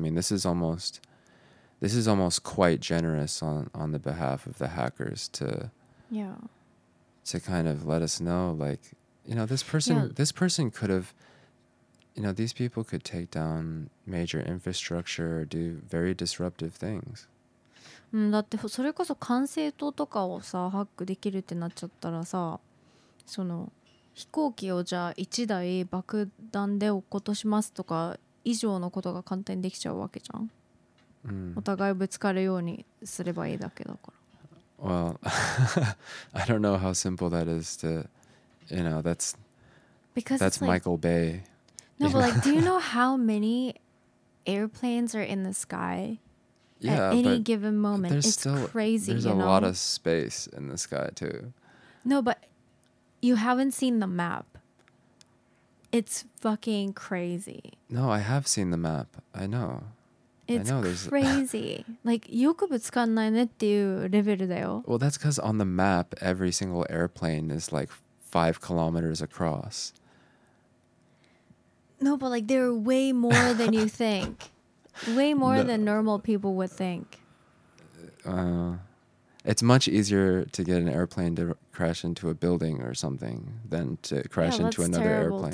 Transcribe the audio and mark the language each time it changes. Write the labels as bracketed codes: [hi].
[en] I mean, this is almost quite generous on the behalf of the hackers to kind of let us know, like, you know, this person could have, you know, these people could take down major infrastructure or do very disruptive things. [ja] だってそれこそ管制塔とかをさ、ハックできるってなっちゃったらさ、その飛行機をじゃあ一台爆弾で落っことしますとか以上のことが簡単にできちゃうわけじゃん。お互いぶつかるようにすればいいだけだから。 [en] Well, I don't know how simple that is to... You know, that's Michael Bay. No, but like, do you know how many airplanes are in the sky at any given moment? It's crazy, you know? There's a lot of space in the sky, too. No, but you haven't seen the map. It's fucking crazy. No, I have seen the map. I know. It's crazy. [ja] Like, よくぶつかんないねっていうレベルだよ。 [en] Well, that's because on the map, every single airplane is like... 5 kilometers across. No, but like they're way more than you think. Way more than normal people would think. It's much easier to get an airplane to crash into a building or something than to crash into another airplane.